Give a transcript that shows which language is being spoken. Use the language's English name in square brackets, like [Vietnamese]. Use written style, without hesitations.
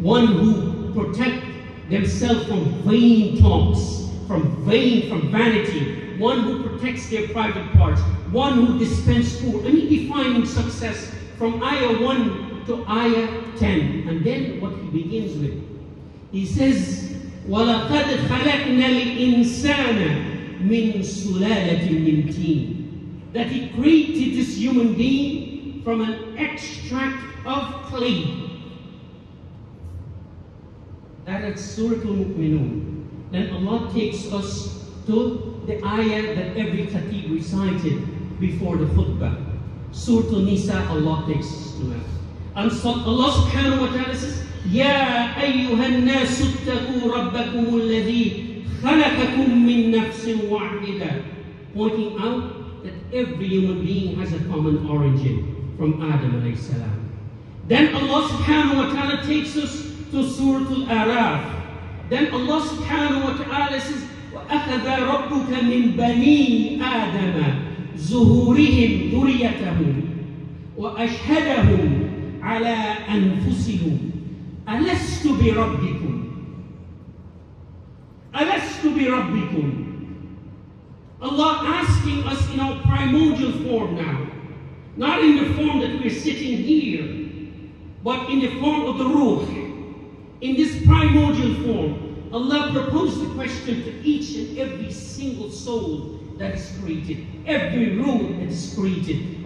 [English] One who protect themselves from vain talks, from vanity. One who protects their private parts. One who dispense food. And he defining success from ayah 1 to ayah 10. And then what he begins with. He says, [Arabic] وَلَقَدْ خَلَقْنَا الْإِنسَانَ مِنْ سُلَالَةٍ مِنْ تِينَ. [English] That he created this human being from an extract of clay. That is Surah Al-Mu'minun. Then Allah takes us to the ayah that every khatib recited before the khutbah. Surah Al-Nisa, Allah takes us to that. And so Allah subhanahu wa ta'ala says, [Arabic] يَا أَيُّهَا النَّاسُ اتَّقُوا رَبَّكُمُ الَّذِي خَلَقَكُم مِّن نَّفْسٍ وَاحِدَةٍ. [English] Pointing out that every human being has a common origin from Adam alayhi salam. Then Allah subhanahu wa ta'ala takes us to Surah Al-A'raf. Then Allah subhanahu wa ta'ala says, [Arabic] وَأَخَذَ رَبُّكَ مِن بَنِي آدَمَ زُهُورِهِمْ ذُرِّيَّتَهُمْ وَأَشْهَدَهُمْ عَلَىٰ أَنفُسِهِمْ أَلَسْتُ بِرَبِّكُمْ أَلَسْتُ بِرَبِّكُمْ. [English] Allah asking us in our primordial form now, not in the form that we're sitting here, but in the form of the ruh. In this primordial form, Allah proposed the question to each and every single soul that is created, every ruh that is created.